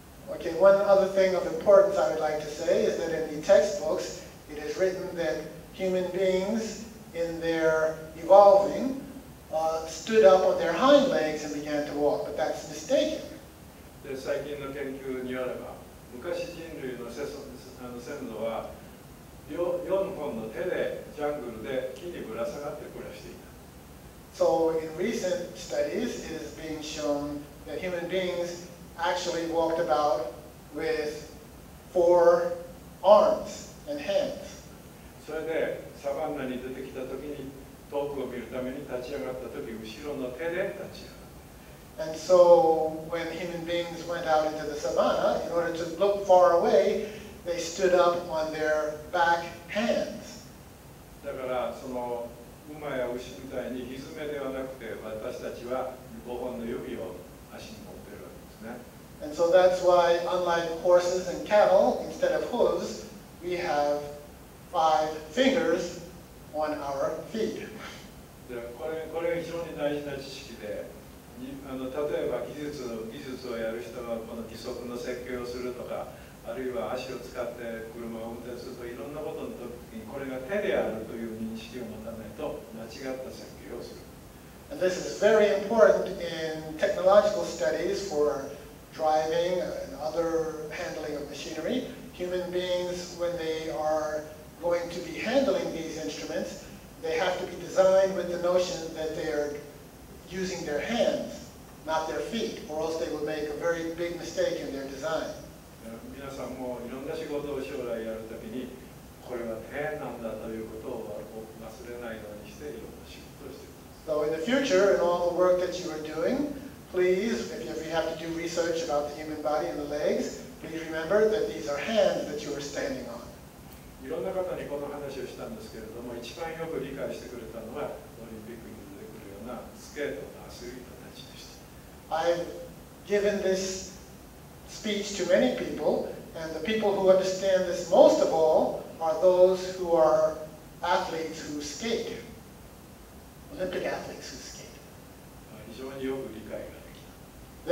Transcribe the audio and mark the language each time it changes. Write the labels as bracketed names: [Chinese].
[English] Okay, one other thing of importance I would like to say is that in the textbooks, it is written that human beings in their evolving, stood up on their hind legs and began to walk, but that's mistaken. [Japanese] で、最近の研究によれば、昔人類の先祖は、4本の手でジャングルで木にぶら下がって暮らしていた。 [English] So in recent studies, it is being shown that human beings actually walked about with four arms and hands. [Japanese] それでサバンナに出てきたときに、遠くを見るために立ち上がったとき、後ろの手で立ち上がった。 [English] And so when human beings went out into the savanna, in order to look far away, they stood up on their back hands. [Japanese] だからその馬や牛みたいに蹄ではなくて、私たちは5本の指を足に持っているわけですね。 [English] And so that's why, unlike horses and cattle, instead of hooves, we have five fingers on our feet. [Japanese] で、これが非常に大事な知識で、例えば技術をやる人がこの義足の設計をするとか、あるいは足を使って車を運転するといろんなことの時に、これが手であるという認識を持たないと間違った設計をする。 [English] And this is very important in technological studies for driving and other handling of machinery. Human beings, when they are going to be handling these instruments, they have to be designed with the notion that they are using their hands, not their feet, or else they will make a very big mistake in their design. [Japanese] 皆さんもいろんな仕事を将来やるときに、これは手なんだということを忘れないようにして、いろんな仕事をしてください。 [English] So in the future, in all the work that you are doing, please, if you have to do research about the human body and the legs, please remember that these are hands that you are standing on. [Japanese] いろんな方にこの話をしたんですけれども、一番よく理解してくれたのは、オリンピックに出てくるようなスケートのアスリートたちでした。 [English] I've given this speech to many people, and the people who understand this most of all are those who are athletes who skate, Olympic athletes who skate. [Japanese] 非常によく理解ができた。